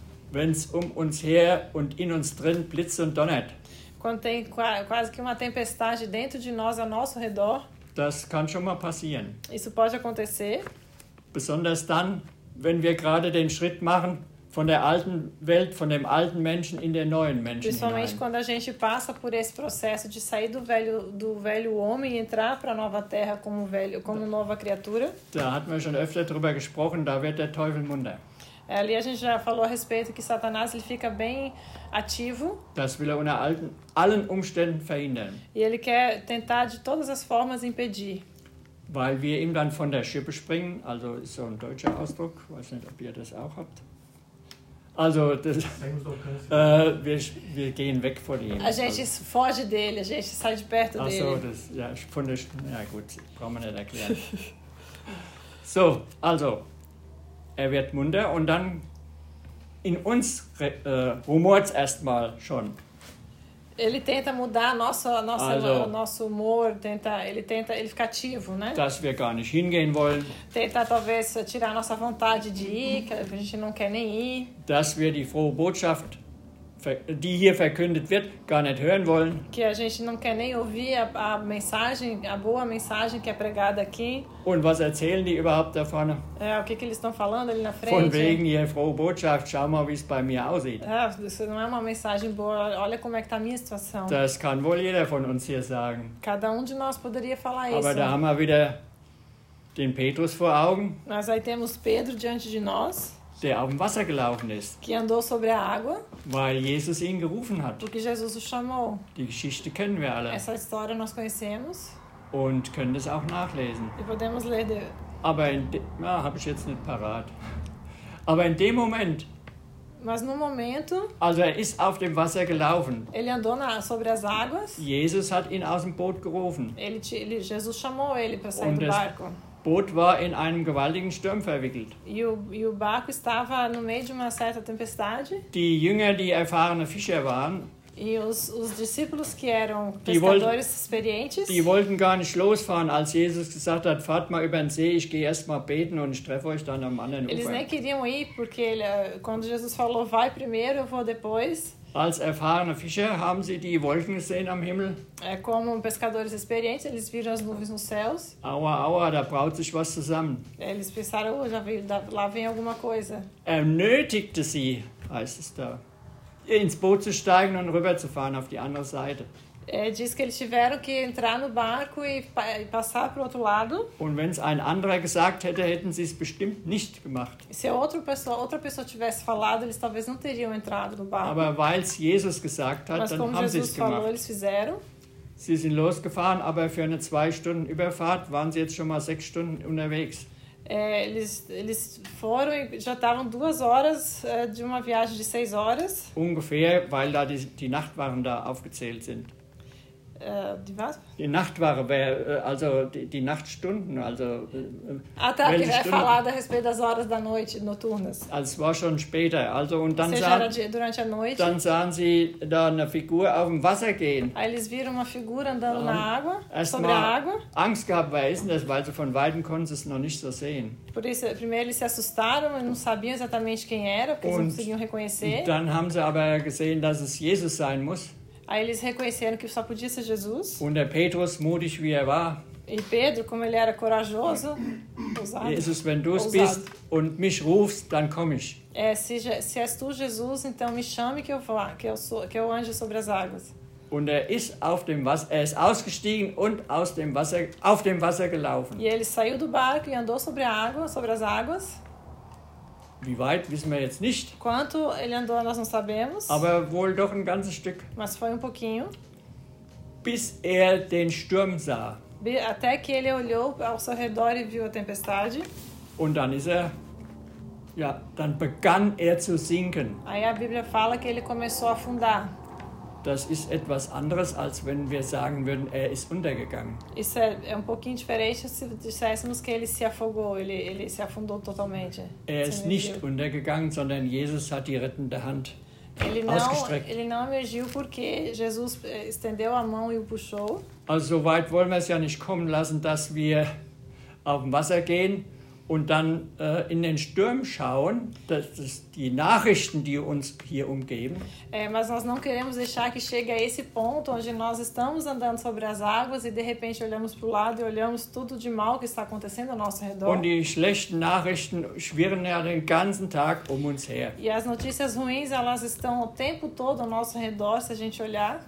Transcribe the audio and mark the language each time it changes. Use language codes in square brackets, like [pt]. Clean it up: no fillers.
[de] Wenn es um uns her und in uns drin blitzt und donnert. [pt] Quando tem quase que uma tempestade dentro de nós, ao nosso redor. [de] Das kann schon mal passieren. [pt] Isso pode acontecer. [de] Besonders dann, wenn wir gerade den Schritt machen, von der alten Welt, von dem alten Menschen in den neuen Menschen. [pt] Principalmente [de] hinein. [pt] Quando a gente passa por esse processo de sair do velho homem e entrar para a nova terra como nova criatura. [de] Da hatten wir schon öfter drüber gesprochen, da wird der Teufel munter. [pt] Ali a gente já falou a respeito que Satanás ele fica bem ativo. [de] Das will er unter allen Umständen verhindern. [pt] E ele quer tentar de todas as formas impedir. [de] Weil wir ihm dann von der Schippe springen, also ist so ein deutscher Ausdruck, weiß nicht, ob ihr das auch habt. Also, wir gehen weg von ihm. [pt] A gente foge dele, a gente sai de perto dele. [de] Achso, das, ja, von der, ja gut, brauchen wir nicht erklären. So, also, er wird munter und dann in uns rumort es erstmal schon. [pt] Ele tenta mudar nosso humor, ele fica ativo, né? [de] Dass wir gar nicht hingehen wollen. [pt] Tenta talvez tirar nossa vontade de ir, que a gente não quer nem ir. [de] Dass wir die frohe Botschaft, die hier verkündet wird, gar nicht hören wollen. [pt] Que a gente não quer nem ouvir a boa mensagem que é pregada aqui. [de] Und was erzählen die überhaupt da vorne? [pt] O que eles estão falando ali na frente? [de] Von wegen hier frohe Botschaft, schau mal, wie es bei mir aussieht. [pt] Isso não é uma mensagem boa, olha como é que está a minha situação. [de] Das kann wohl jeder von uns hier sagen. [pt] Cada de nós poderia falar [de] aber [pt] isso. [de] Aber da haben wir wieder den Petrus vor Augen. [pt] Mas aí temos Pedro diante de nós. [de] Der auf dem Wasser gelaufen ist. [pt] Que andou sobre a água. [de] Weil Jesus ihn gerufen hat. [pt] Porque Jesus o chamou. [de] Die Geschichte kennen wir alle. [pt] Essa história nós conhecemos. [de] Und können das auch nachlesen. [pt] E podemos ler. [de] Habe ich jetzt nicht parat. Aber in dem Moment, [pt] mas no momento, [de] also er ist auf dem Wasser gelaufen. [pt] Ele andou na, sobre as águas. [de] Jesus hat ihn aus dem Boot gerufen. [pt] Jesus chamou ele para sair do barco. [de] Boot war in einem gewaltigen Sturm verwickelt. [pt] E o barco estava no meio de uma certa tempestade. [de] Die Jünger, die erfahrene Fischer waren, [pt] e os discípulos que eram pescadores experientes, [de] die wollten gar nicht losfahren, als Jesus gesagt hat, fahrt mal über den See, ich gehe erst mal beten und ich treffe euch dann am anderen Ufer. [pt] Eles nem queriam ir, porque quando Jesus falou, vai primeiro, eu vou depois. [de] Als erfahrene Fischer haben sie die Wolken gesehen am Himmel. [pt] Como pescadores experientes, eles viram as nuvens nos céus. [de] Aua, aua, da braut sich was zusammen. [pt] Eles pensaram, oh, lá vem alguma coisa. [de] Er nötigte sie, heißt es da, ins Boot zu steigen und rüberzufahren auf die andere Seite. [pt] Diz que eles tiveram que entrar no barco e passar para o outro lado. [de] Und wenn es ein anderer gesagt hätte, hätten sie es bestimmt nicht gemacht. [pt] Se outra pessoa tivesse falado, eles talvez não teriam entrado no barco. [de] Aber weil es Jesus gesagt hat, [pt] mas [de] dann haben sie es gemacht. [pt] Mas como Jesus falou, eles fizeram. [de] Sie sind losgefahren, aber für eine 2 Stunden Überfahrt waren sie jetzt schon mal 6 Stunden unterwegs. [pt] Eles foram e já estavam 2 horas de uma viagem de 6 horas. [de] Ungefähr, weil da die Nachtwachen da aufgezählt sind. Die was? Die Nachtwache, also die Nachtstunden, also. [pt] Até que vai falar a respeito das horas da noite noturnas. [de] Also war schon später, also und dann sahen. [pt] Durante a noite. [de] Dann sahen sie da eine Figur auf dem Wasser gehen. [pt] Aí eles viram uma figura andando na água, sobre a água. [de] Angst gehabt, wer ist denn das? Weil sie von weitem konnten sie es noch nicht so sehen. [pt] Por isso, primeiro eles se assustaram e não sabiam exatamente quem era, porque eles não conseguiam reconhecer. [de] Und dann haben sie aber gesehen, dass es Jesus sein muss. [pt] Aí eles reconheceram que só podia ser Jesus. [de] Und der Petrus, mutig wie er war. [pt] E Pedro, como ele era corajoso, ousado. [de] Jesus, wenn du es bist und mich rufst, dann komm ich. [pt] Se és tu Jesus, então me chame que eu vá, que eu ande sobre as águas. [de] Und er ist auf dem Wasser, er ist ausgestiegen und aus dem Wasser, auf dem Wasser gelaufen. [pt] E ele saiu do barco e andou sobre a água, sobre as águas. [de] Wie weit wissen wir jetzt nicht. [pt] Quanto ele andou, nós não sabemos. [de] Aber wohl doch ein ganzes Stück. [pt] Mas foi um pouquinho. [de] Bis er den Sturm sah. [pt] Até que ele olhou ao seu redor e viu a tempestade. [de] Und dann ist er, ja, dann begann er zu sinken. [pt] Aí a Bíblia fala que ele começou a afundar. [de] Das ist etwas anderes, als wenn wir sagen würden, er ist untergegangen. [pt] Isso é um pouquinho diferente se disséssemos que ele se afogou, ele se afundou totalmente. [de] Er ist nicht untergegangen, sondern Jesus hat die rettende Hand ausgestreckt. [pt] Ele não emergiu porque Jesus estendeu a mão e o puxou. [de] Also so weit wollen wir es ja nicht kommen lassen, dass wir auf dem Wasser gehen und dann in den Sturm schauen, das ist die Nachrichten, die uns hier umgeben. [pt] Mas nós não queremos deixar que chegue a esse ponto onde nós estamos andando sobre as águas e de repente olhamos pro lado e olhamos tudo de mal que está acontecendo ao nosso redor. [de] Und die schlechten Nachrichten schwirren ja den ganzen Tag um uns her. [pt] E as notícias ruins, elas estão o tempo todo ao nosso redor, se a gente olhar.